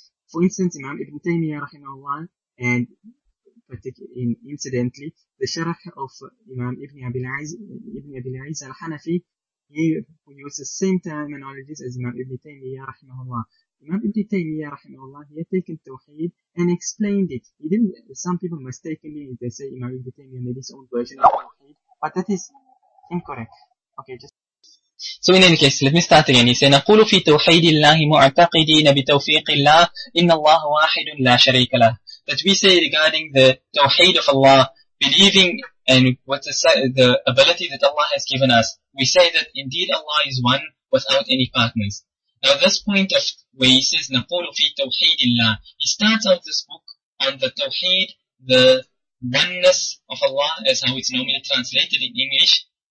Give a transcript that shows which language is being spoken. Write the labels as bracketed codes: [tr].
[en] For instance, Imam Ibn Taymiyyah rahimahullah, and incidentally, the sharh of Imam Ibn Abil Aiz al-Hanafi, he uses the same terminologies as Imam Ibn Taymiyyah rahimahullah. Imam Ibn Taymiyyah rahimahullah, he had taken tawheed and explained it. He didn't, some people mistakenly, they say Imam Ibn Taymiyyah made his own version of tawheed, but that is incorrect. Okay, just so in any case, let me start again. [ar] He says, نقول في توحيد الله معتقدين بتوفيق الله إن الله واحد لا شريك له. [en] That we say regarding the توحيد of Allah, believing and what the ability that Allah has given us. We say that indeed Allah is one without any partners. Now this point of where he says [ar] نَقُولُ فِي تَوْحِيدِ اللَّهِ, [en] he starts out this book on the tawheed, the oneness of Allah, as how it's normally translated in English.